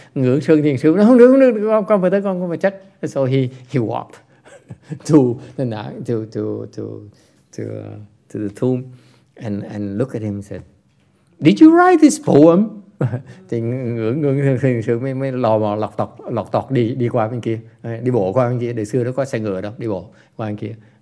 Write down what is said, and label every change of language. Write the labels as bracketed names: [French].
[Vietnamese] Ngưỡng sơn thiền sư, không được, con phải chắc. [English] So he walked to the tomb and look at him and said, did you write this poem? [Vietnamese] Thì ngưỡng sư mới lò mò lọc tọc đi qua bên kia, đi bộ qua bên kia. Đời xưa nó có xe ngựa đâu, đi bộ qua bên kia.